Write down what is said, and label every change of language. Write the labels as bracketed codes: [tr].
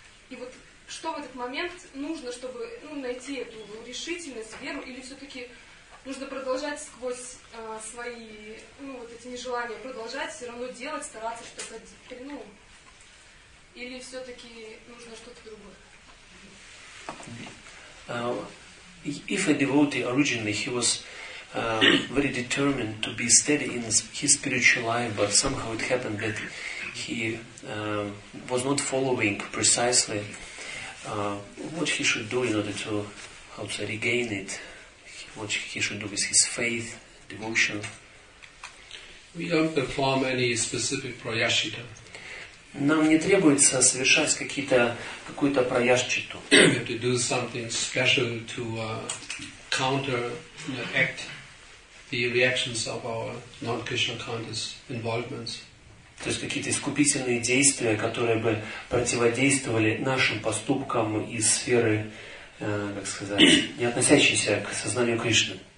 [ru] вот что в этот момент нужно, чтобы найти эту решительность, веру, или все-таки нужно продолжать сквозь свои вот эти нежелания, продолжать все равно делать, стараться что-то, или все-таки нужно что-то другое? [en] If a devotee originally he was very determined to be steady in his spiritual life, but somehow it happened that he was not following precisely what he should do in order to, how to regain it, what he should do with his faith, devotion. We don't perform any specific prayashita. [ru] Нам не требуется совершать какую-то праяшчиту. То есть какие-то искупительные действия, которые бы противодействовали нашим поступкам из сферы, как сказать, не относящейся к сознанию Кришны.